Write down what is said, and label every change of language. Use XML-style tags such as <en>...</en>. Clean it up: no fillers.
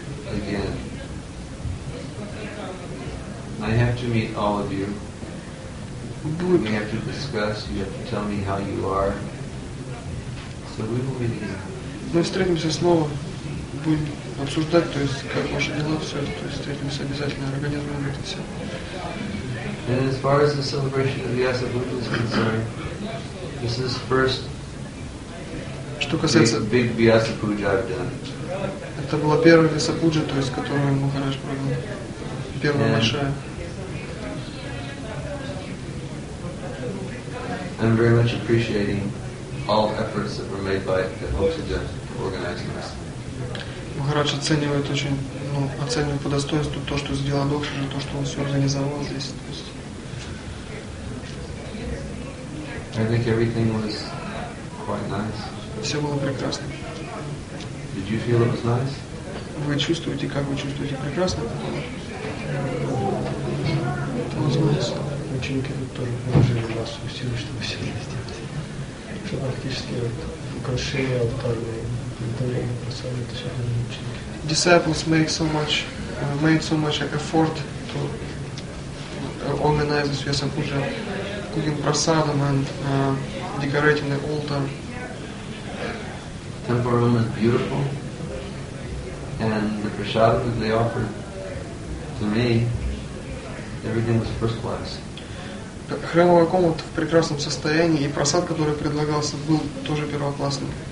<en>Again, I have to meet all of you. We have to discuss. You have to tell me how you are. So we will meet again.</en> <ru>Мы встретимся снова, будем обсуждать, то есть как ваши дела, все это, то есть встретимся обязательно, организуем это все.</ru> <en>And as far as the celebration of the Asabuddha is concerned, this is first.</en> <ru>Что касается</ru> <en>big Vyasa Puja I've done.</en> <ru>Это была первая Висапуджа, то есть которую Махарадж провел. Первая большая.</ru> <en>I'm very much appreciating all efforts that were made by the Hoksaja for organizing this.</en> <ru>Махарадж оценивает очень, ну, оценивает по достоинству то, что сделал Хоксаджа, то, что он все организовал здесь. То есть.</ru> <en>I think everything was quite nice.</en> <ru>Все было прекрасно.</ru> <en>Did you feel it was nice?</en> <ru>Вы чувствуете, как вы чувствуете прекрасно? Это возможно. Ученики тут тоже положили вас в силу, чтобы все сделать. Что практически вот украшения алтарные, удаление просады, это все для ученики.</ru> <en>Disciples made so much effort to organize this Vyasa Puja, cooking prasadam and decorating the altar. Temple room is beautiful. And the prasadam that they offered to me, everything was first class.</en> <ru>Храмовая комната в прекрасном состоянии, и просад, который предлагался, был тоже первоклассный.</ru>